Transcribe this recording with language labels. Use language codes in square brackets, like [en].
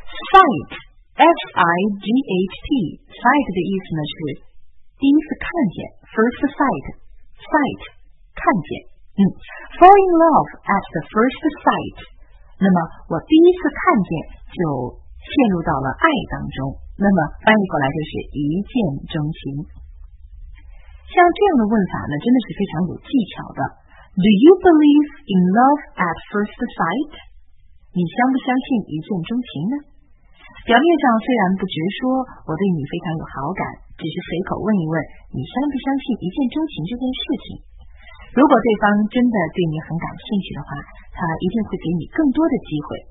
[zh] sight S-I-G-H-T sight 的意思呢是第一次看见， first sight， sight 看见。 [en] fall in love at the first sight， [zh] 那么我第一次看见就陷入到了爱当中，那么翻译过来就是一见钟情。像这样的问法呢，真的是非常有技巧的。 [en] Do you believe in love at first sight? [zh] 你相不相信一见钟情呢？表面上虽然不直说，我对你非常有好感，只是随口问一问，你相不相信一见钟情这件事情？如果对方真的对你很感兴趣的话，他一定会给你更多的机会。